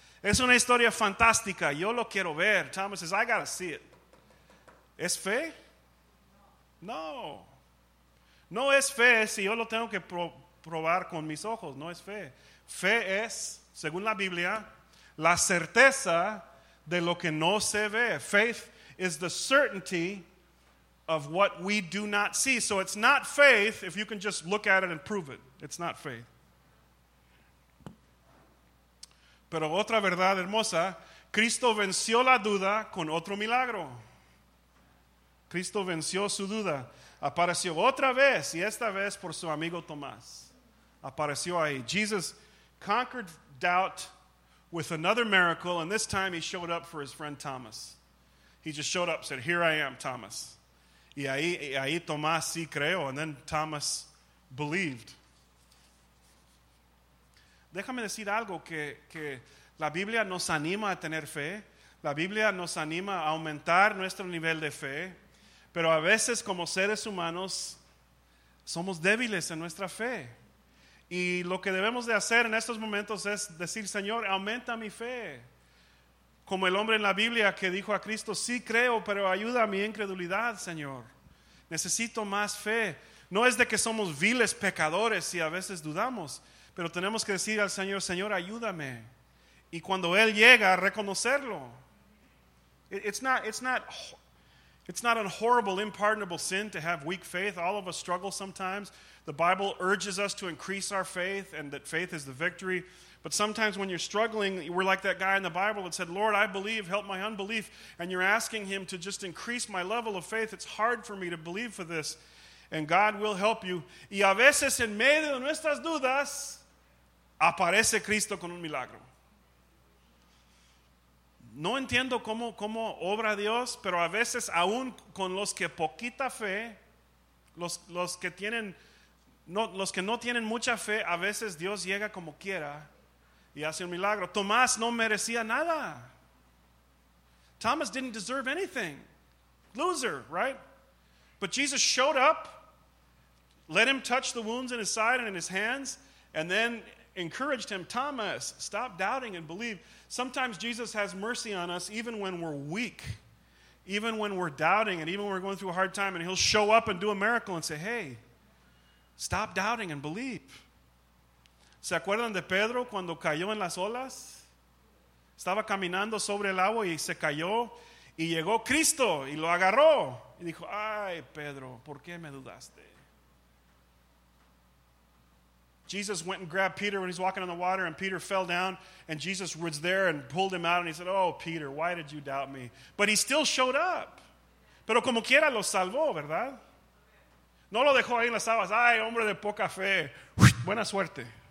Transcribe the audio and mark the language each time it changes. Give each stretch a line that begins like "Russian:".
Spanish: Es una historia fantástica, yo lo quiero ver.
English: Thomas says, I gotta see it.
Spanish: ¿Es fe? No. No es fe si yo lo tengo que probar con mis ojos, no es fe. Fe es, según la Biblia, la certeza de lo que no se ve.
English: Faith is the certainty of what we do not see. So it's not faith if you can just look at it and prove it. It's not faith.
Spanish: Pero otra verdad hermosa, Cristo venció la duda con otro milagro. Cristo venció su duda. Apareció otra vez, y esta vez por su amigo Tomás. Apareció ahí.
English: Jesus conquered doubt with another miracle, and this time he showed up for his friend Thomas. He just showed up and said, here I am, Thomas.
Spanish: Y ahí Tomás sí creó,
English: and then Thomas believed.
Spanish: Déjame decir algo, que la Biblia nos anima a tener fe. La Biblia nos anima a aumentar nuestro nivel de fe. Pero a veces como seres humanos somos débiles en nuestra fe. Y lo que debemos de hacer en estos momentos es decir, Señor, aumenta mi fe. Como el hombre en la Biblia que dijo a Cristo, sí creo, pero ayuda a mi incredulidad, Señor. Necesito más fe. No es de que somos viles pecadores y a veces dudamos. Pero tenemos que decir al Señor, Señor, ayúdame. Y cuando Él llega, reconocerlo.
English: It's not a horrible, unpardonable sin to have weak faith. All of us struggle sometimes. The Bible urges us to increase our faith, and that faith is the victory. But sometimes when you're struggling, we're like that guy in the Bible that said, Lord, I believe, help my unbelief. And you're asking Him to just increase my level of faith. It's hard for me to believe for this. And God will help you.
Spanish: Y a veces en medio de nuestras dudas, aparece Cristo con un milagro. No entiendo cómo obra Dios, pero a veces aún con los que poquita fe, los que no tienen mucha fe, a veces Dios llega como quiera y hace un milagro. Tomás no merecía nada.
English: Thomas didn't deserve anything. Loser, right? But Jesus showed up, let him touch the wounds in his side and in his hands, and then encouraged him, Thomas, stop doubting and believe. Sometimes Jesus has mercy on us even when we're weak, even when we're doubting, and even when we're going through a hard time, and he'll show up and do a miracle and say, hey, stop doubting and believe.
Spanish: ¿Se acuerdan de Pedro cuando cayó en las olas? Estaba caminando sobre el agua y se cayó, y llegó Cristo y lo agarró. Y dijo, ay, Pedro, ¿por qué me dudaste?
English: Jesus went and grabbed Peter when he's walking on the water, and Peter fell down, and Jesus was there and pulled him out, and he said, oh, Peter, why did you doubt me? But he still showed up.
Spanish: Pero como quiera lo salvó, ¿verdad? No lo dejó ahí en las aguas. Ay, hombre de poca fe. Buena suerte.